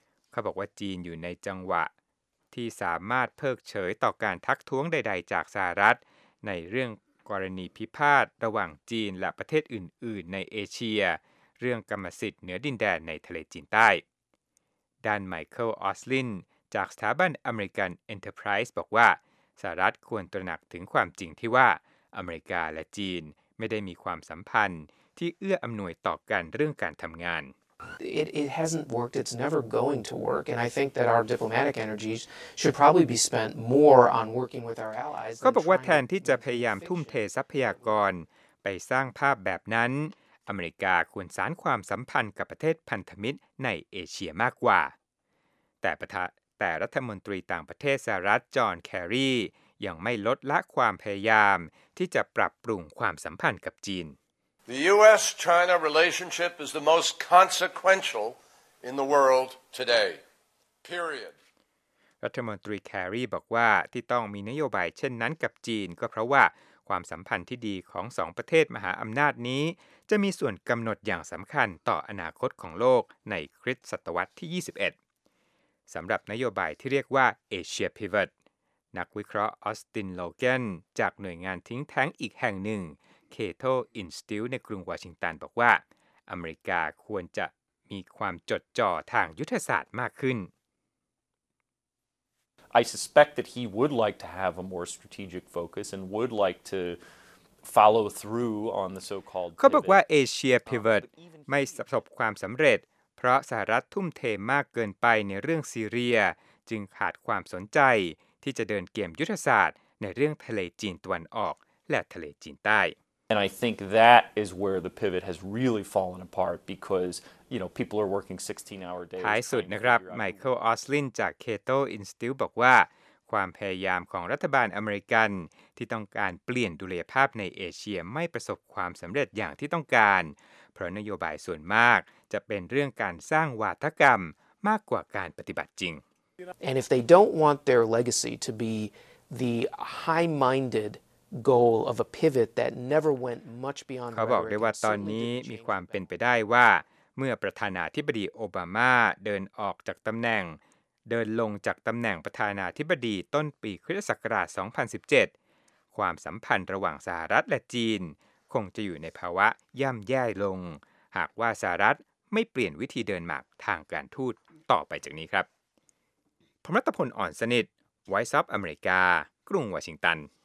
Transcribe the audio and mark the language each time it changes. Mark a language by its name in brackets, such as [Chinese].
[Thai] เขาบอกว่าจีนอยู่ในจังหวะที่สามารถเพิกเฉยต่อการทักท้วงใดๆจากสหรัฐในเรื่องกรณีพิพาทระหว่างจีนและประเทศอื่นๆในเอเชียเรื่องกรรมสิทธิ์เหนือดินแดนในทะเลจีนใต้ด้านไมเคิลออสลินจากสถาบันอเมริกันเอ็นเตอร์ไพรส์บอกว่าสหรัฐควรตระหนักถึงความจริงที่ว่าอเมริกาและจีนไม่ได้มีความสัมพันธ์ที่เอื้ออำนวยต่อกันเรื่องการทำงาน [English] It hasn't worked. It's never going to work. And I think that our diplomatic energies should probably be spent more on working with our allies. [Thai] เขาบอกว่าแทนที่จะพยายามทุ่มเททรัพยากรไปสร้างภาพแบบนั้นอเมริกาควรสานความสัมพันธ์กับประเทศพันธมิตรในเอเชียมากกว่าแต่รัฐมนตรีต่างประเทศสหรัฐจอห์นแครียังไม่ลดละความพยายามที่จะปรับปรุงความสัมพันธ์กับจีน [English] The US-China relationship is the most consequential in the world today. Period. [Thai] รัฐมนตรีแครีบอกว่าที่ต้องมีนโยบายเช่นนั้นกับจีนก็เพราะว่าความสัมพันธ์ที่ดีของสองประเทศมหาอำนาจนี้จะมีส่วนกำหนดอย่างสำคัญต่ออนาคตของโลกในคริสต์ศตวรรษที่21สำหรับนโยบายที่เรียกว่า Asia Pivot นักวิเคราะห์ออสตินโลแกนจากหน่วยงานทิ้งแท้งอีกแห่งหนึ่ง Cato Institute ในกรุงวอชิงตันบอกว่าอเมริกาควรจะมีความจดจ่อทางยุทธศาสตร์มากขึ้น [English] I suspect that he would like to have a more strategic focus and would like to follow through on the so-called [Thai] เขาบอกว่า Asia Pivot ไม่ประสบความสำเร็จเพราะสหรัฐทุ่มเทมากเกินไปในเรื่องซีเรียจึงขาดความสนใจที่จะเดินเกมยุทธศาสตร์ในเรื่องทะเลจีนตะวันออกและทะเลจีนใต้ [English] And I think that is where the pivot has really fallen apart because you know people are working 16-hour days. [Thai] ท้ายสุดนะครับไมเคิลออสลินจาก Cato Institute บอกว่าความพยายามของรัฐบาลอเมริกันที่ต้องการเปลี่ยนดุลยภาพในเอเชียไม่ประสบความสำเร็จอย่างที่ต้องการเพราะนโยบายส่วนมากจะเป็นเรื่องการสร้างวาทกรรมมากกว่าการปฏิบัติจริง [English] And if they don't want their legacy to be the high-mindedgoal of a pivot that never went much beyond [Thai] เขาบอกได้ว่าตอนนี้มีความเป็นไปได้ว่าเมื่อประธานาธิบดีโอบามาเดินออกจากตำแหน่งเดินลงจากตำแหน่งประธานาธิบดีต้นปีคริสต์ศักราช2017ความสัมพันธ์ระหว่างสหรัฐและจีนคงจะอยู่ในภาวะย่ำแย่ลงหากว่าสหรัฐไม่เปลี่ยนวิธีเดินหมากทางการทูตต่อไปจากนี้ครับพมรัตพลอ่อนสนิทไวซ์ออฟอเมริกากรุงวอชิงตัน